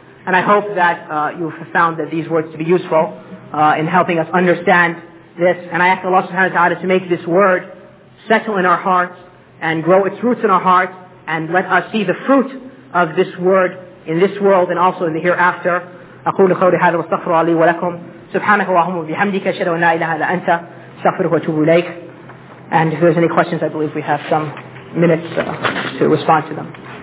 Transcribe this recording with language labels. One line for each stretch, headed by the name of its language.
English: And I hope that you have found that these words to be useful in helping us understand this. And I ask Allah subhanahu wa ta'ala to make this word settle in our hearts and grow its roots in our hearts, and let us see the fruit of this word in this world and also in the hereafter.
Arabic: أقول قولي هذا واستغفر لي ولكم سبحانك اللهم وبحمدك أشهد أن لا إله إلا أنت أستغفرك وأتوب إليك.
English: And if there's any questions, I believe we have some minutes to respond to them.